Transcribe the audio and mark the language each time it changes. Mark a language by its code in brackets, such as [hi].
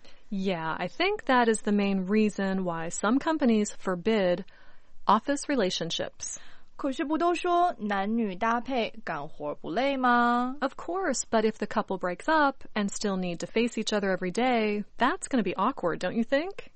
[en] Yeah, I think that is the main reason why some companies forbid office relationships. [zh] 可是不都说男女搭配干活不累吗? [en] Of course, but if the couple breaks up and still need to face each other every day, that's going to be awkward, don't you think?